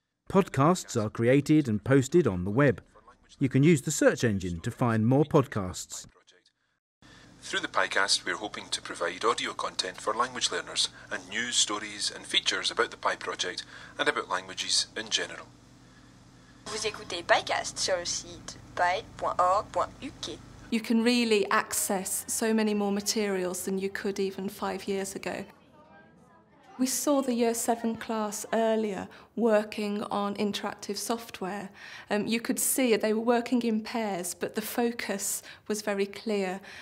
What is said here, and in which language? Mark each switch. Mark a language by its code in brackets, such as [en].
[en] Podcasts are created and posted on the web. You can use the search engine to find more podcasts. Through The Picast, we're hoping to provide audio content for language learners and news, stories and features about the Pi project and about languages in general. [fr] Vous écoutez Picast sur le site pi.org.uk. [en] You can really access so many more materials than you could even 5 years ago. We saw the Year 7 class earlier working on interactive software. You could see they were working in pairs, but the focus was very clear.